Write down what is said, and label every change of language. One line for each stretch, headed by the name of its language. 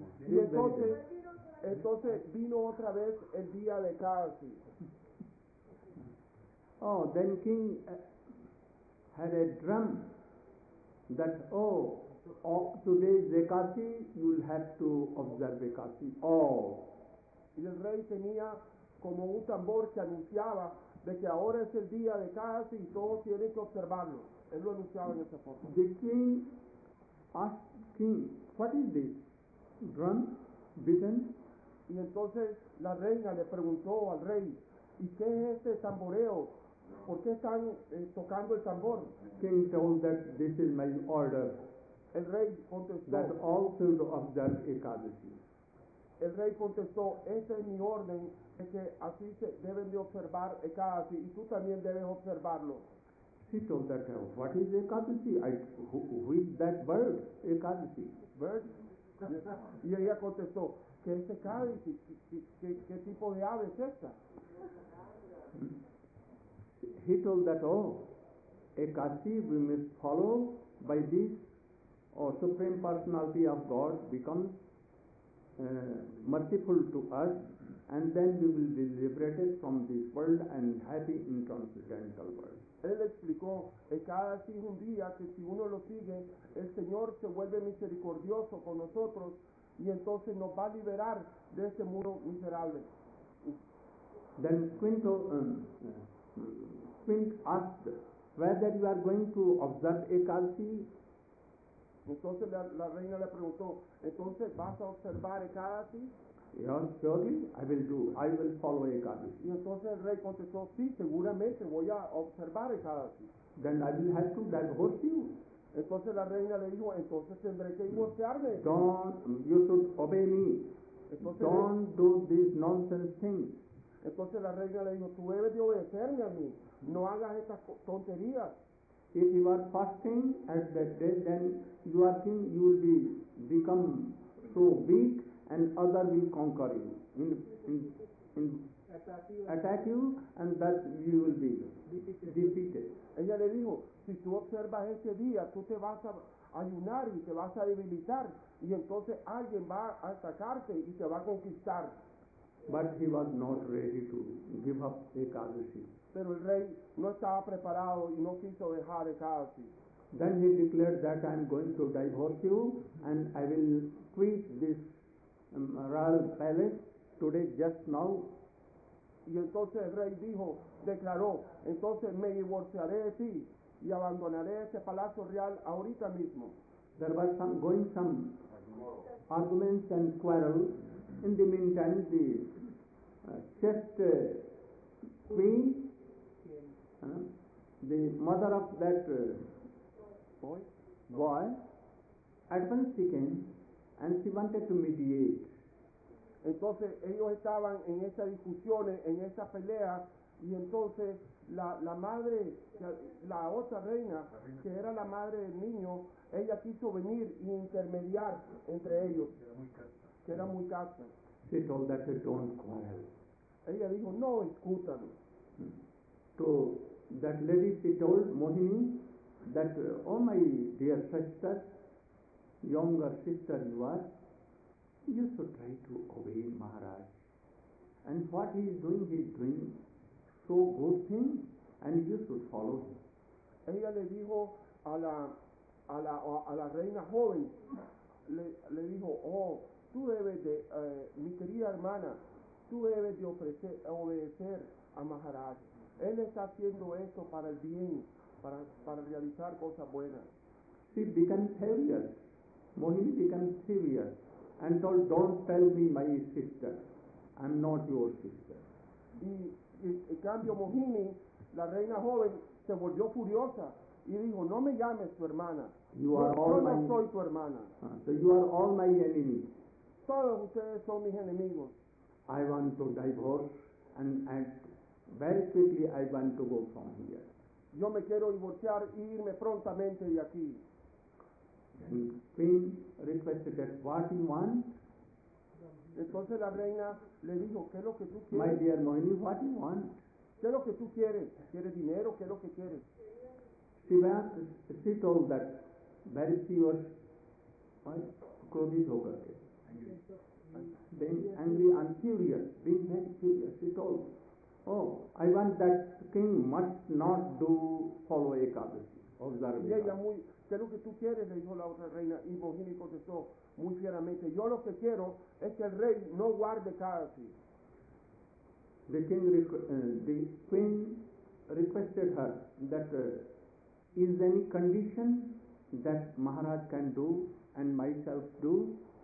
Spanish: Y entonces vino otra vez el día de Ekadasi.
English: Oh, then king had a drum that, oh, today is Ekadasi, you will have to observe Ekadasi. Oh.
Spanish: Y el rey tenía como un tambor que anunciaba de que ahora es el día de Ekadasi y todos tienen que observarlo. Él lo anunciaba en esa forma.
English: The king asked king, what is this drum beaten?
Spanish: Y entonces la reina le preguntó al rey, ¿y qué es este tamboreo? ¿Por qué están tocando el tambor?
English: King told that this is my order.
Spanish: El rey contestó,
English: that all should observe Ekadasi.
Spanish: El rey contestó, esa es mi orden, es que así se deben de observar Ekadasi, y tú también debes observarlo.
English: He told that, what is Ekadasi? Who is that bird, Ekadasi? Bird?
Spanish: Y ella contestó, ¿qué es Ekadasi? ¿Qué tipo de ave es esta?
English: He told that, oh, Ekadasi, we must follow by this, or Supreme Personality of God becomes merciful to us, and then we will be liberated from this world and happy in transcendental world.
Spanish: Él explicó que cada si un día que si uno lo sigue, el Señor se vuelve misericordioso con nosotros y entonces nos va a liberar de ese mundo miserable.
English: Then Queen asked whether you are going to observe Ekadasi.
Spanish: Entonces la reina le preguntó, ¿entonces vas a observar Ekadasi?
English: Yes, surely, I will do. I will follow Ekadasi.
Spanish: Y entonces el rey contestó, sí, seguramente voy a observar Ekadasi.
English: Then I will have to divorce you.
Spanish: Entonces la reina le dijo, entonces tendré que divorciarme.
English: Don't, you should obey me.
Spanish: Entonces,
English: don't do these nonsense things.
Spanish: Entonces la reina le dijo, tú debes de obedecerme a mí. No hagas estas tonterías.
English: If you are fasting at that day, then you are king, you will become so weak and other will conquer you, attack you, and that you will be defeated.
Spanish: Ella le dijo, si tú observas ese día, tú te vas a ayunar y te vas a debilitar, y entonces alguien va a atacarte y te va a conquistar.
English: But he was not ready to give up Ekadasi.
Spanish: Pero el rey no estaba preparado y no quiso dejar Ekadasi.
English: Then he declared that I am going to divorce you and I will quit this royal palace today just now.
Spanish: Y entonces el rey dijo, declaró, entonces me divorciaré de ti y abandonaré este palacio real ahorita mismo.
English: There was some arguments and quarrels. In the meantime, the chest queen, the mother of that boy, at once she came and she wanted to mediate.
Spanish: Entonces ellos estaban en esas discusiones, en esa pelea, y entonces la madre, la otra reina, que era la madre del niño, ella quiso venir e intermediar entre ellos, que era muy casta.
English: She told that they don't quarrel.
Spanish: Ella dijo, no discutan.
English: So that lady, she told Mohini that, oh my dear sister, younger sister you are, you should try to obey Maharaj. And what he is doing so good thing, and you should follow him.
Spanish: Ella le dijo a la reina joven, le dijo, oh, tú debes de, mi querida hermana, tú debes de obedecer a Maharaj. Él está haciendo esto para el bien, para realizar cosas buenas.
English: She became serious. Mohini became serious and told, don't tell me my sister. I'm not your sister.
Spanish: Y en cambio Mohini, la reina joven, se volvió furiosa y dijo, no me llames tu hermana. Yo no soy tu hermana.
English: So you are all my enemies.
Spanish: Todos ustedes son mis enemigos.
English: I want to divorce and very quickly I want to go from here.
Spanish: Yo me quiero divorciar y irme prontamente de aquí.
English: And queen requested that, what you want?
Spanish: Entonces la reina le dijo, ¿qué es lo que tú quieres?
English: My dear Moini, what do you want?
Spanish: ¿Qué es lo que tú quieres? ¿Quieres dinero? ¿Qué es lo que quieres?
English: She told that very severe clothes over there. Being angry and furious, being very furious, she told, oh, I want that king must not do follow Ekadashi, observe Ekadashi.
Spanish: Ella muy, ¿qué es lo que tú quieres? Le dijo la otra reina, y Mohini contestó muy fieramente, yo lo que quiero es que el rey no guarde Ekadashi.
English: The queen requested her that is there any condition that Maharaj can do and myself do?